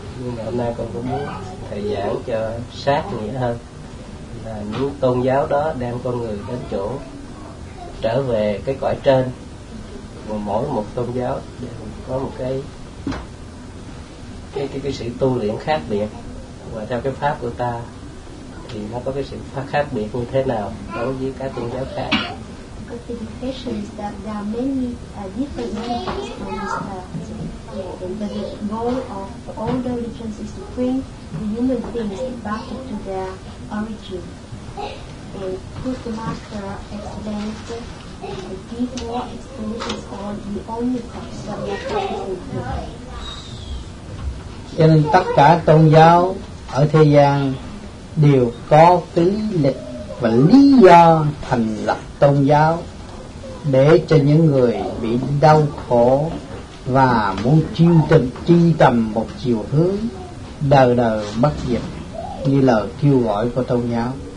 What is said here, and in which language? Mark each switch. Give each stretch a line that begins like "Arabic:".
Vietnamese: Nhưng mà hôm nay con cũng muốn thầy giảng cho sát nghĩa hơn, là những tôn giáo đó đem con người đến chỗ trở về cái cõi trên. Mà mỗi một tôn giáo đều có một cái sự tu luyện khác biệt, và theo cái pháp của ta thì nó có cái sự khác biệt như thế nào đối với các tôn giáo khác.
English: Got the impression that there are many different religions from this earth, but the goal of all the religions is to bring the human beings back to their origin. And Buddha the Master explained a deep more explanations on the only cause that we are practicing here.
Vietnamese: Cho nên tất cả tôn giáo ở thế gian đều có tính lịch và lý do thành lập tôn giáo, để cho những người bị đau khổ và muốn truy tầm một chiều hướng đời đời bất diệt như lời kêu gọi của tôn giáo.